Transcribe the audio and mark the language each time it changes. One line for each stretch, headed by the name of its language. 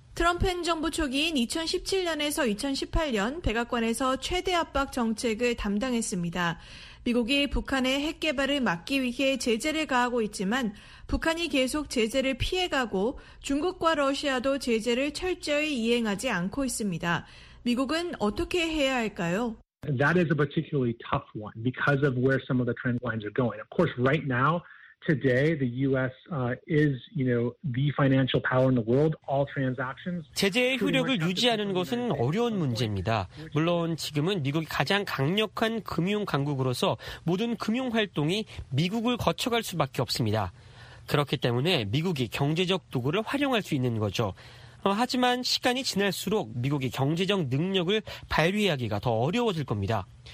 Korean: 트럼프 행정부 초기인 2017년에서 2018년 백악관에서 최대 압박 정책을 담당했습니다. 미국이 북한의 핵 개발을 막기 위해 제재를 가하고 있지만 북한이 계속 제재를 피해가고 중국과 러시아도 제재를 철저히 이행하지 않고 있습니다. 미국은 어떻게 해야 할까요?
English: That is a particularly tough one because of where some of the trend lines are going. Of course, right now, today, the U.S. Is, you know, the financial power in the world. All transactions.
Korean: 제재의 효력을 유지하는 것은 어려운 문제입니다. 물론 지금은 미국이 가장 강력한 금융 강국으로서 모든 금융 활동이 미국을 거쳐갈 수밖에 없습니다. 그렇기 때문에 미국이 경제적 도구를 활용할 수 있는 거죠. 하지만 시간이 지날수록 미국이 경제적 능력을 발휘하기가 더 어려워질 겁니다.